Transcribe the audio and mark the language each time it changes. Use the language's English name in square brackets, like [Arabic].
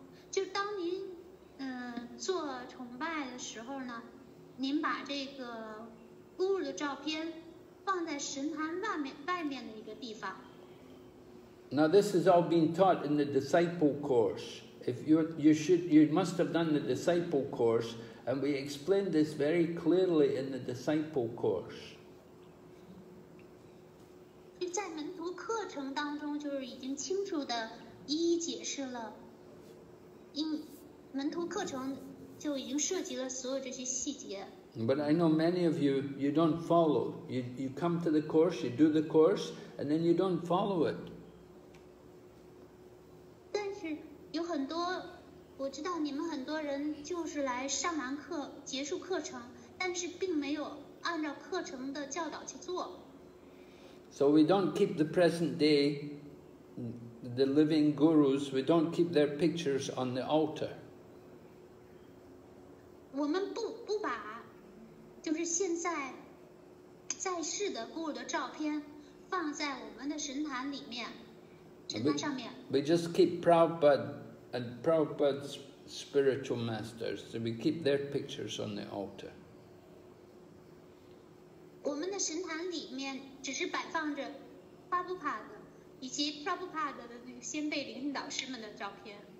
[Chinese] 就当您做崇拜的时候呢，您把这个孤儿的照片放在神坛外面的一个地方。 [English] Now this has all been taught in the disciple course. If you must have done the disciple course, and we explained this very clearly in the disciple course. [Chinese] 在门徒课程当中，就是已经清楚的一一解释了，门徒课程就已经涉及了所有这些细节。 [English] But I know many of you don't follow. You come to the course, you do the course, and then you don't follow it. [Chinese] 但是有很多，我知道你们很多人就是来上完课，结束课程，但是并没有按照课程的教导去做。 [English] So we don't keep the present day, the living gurus, we don't keep their pictures on the altar. [Chinese] 我们不把就是现在在世的 guru 的照片放在我们的神坛里面，神坛上面。 [English] We just keep Prabhupada and Prabhupada's spiritual masters, so we keep their pictures on the altar. [Chinese] 我们的神坛里面只是摆放着 Prabhupada 以及 Prabhupada 的先辈领导师们的照片。